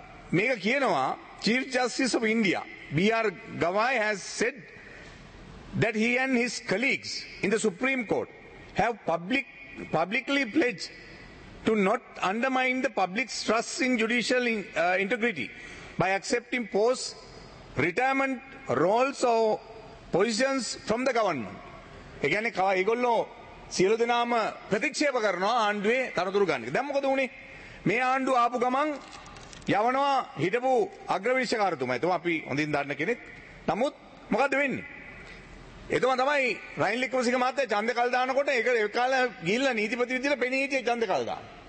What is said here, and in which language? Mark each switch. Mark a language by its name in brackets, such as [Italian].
[Sinhala] මේක කියනවා [English] Chief justice of India B R. Gavai has said that he and his colleagues in the Supreme Court have publicly pledged to not undermine the public's trust in judicial integrity by accepting post-retirement roles or positions from the government. Again, I go no. [Sinhala] සියලු දෙනාම ප්‍රතික්ෂේප කරනවා ආණ්ඩුවේ තනතුරු ගන්න එක. දැන් මොකද වුනේ? මේ ආණ්ඩුව ආපු ගමන් යවනවා හිටපු අග්‍රවිනිශ්චයකාරතුමා. එතකොට අපි හොඳින් දන්න කෙනෙක්. නමුත් මොකද වෙන්නේ? එතකොට තමයි රයින් ලික්කමසිංහ මහත්තයා ඡන්ද කල් දානකොට ඒක ඒ කාලේ ගිහිල්ලා නීතිපති විදිහට පෙනී සිටි ඡන්ද කල් දාන.